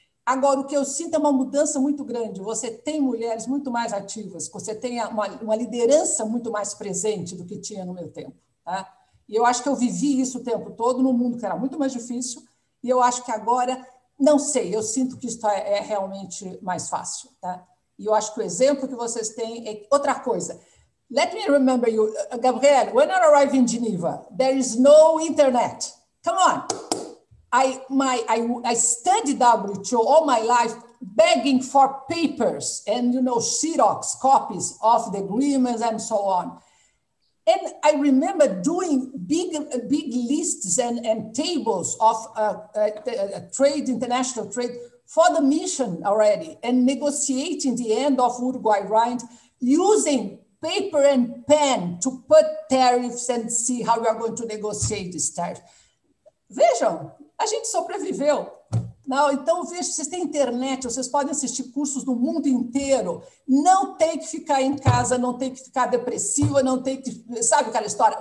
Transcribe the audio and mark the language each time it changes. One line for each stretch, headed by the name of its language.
Portuguese: Agora, o que eu sinto é uma mudança muito grande, você tem mulheres muito mais ativas, você tem uma liderança muito mais presente do que tinha no meu tempo, tá? E eu acho que eu vivi isso o tempo todo num mundo que era muito mais difícil, e eu acho que agora, não sei, eu sinto que isso é realmente mais fácil, tá? E eu acho que o exemplo que vocês têm é outra coisa.
English: Let me remember you, Gabriel, when I arrived in Geneva, there is no internet. Come on. I studied WTO all my life begging for papers and, you know, Xerox copies of the agreements and so on. And I remember doing big lists and tables of trade, international trade, for the mission already, and negotiating the end of Uruguay Rind, using paper and pen to put tariffs and see how we are going to negotiate this tariff.
Portuguese: Vejam, a gente sobreviveu. Não, então vejam, vocês têm internet, vocês podem assistir cursos do mundo inteiro, não tem que ficar em casa, não tem que ficar depressiva, não tem que, sabe aquela história?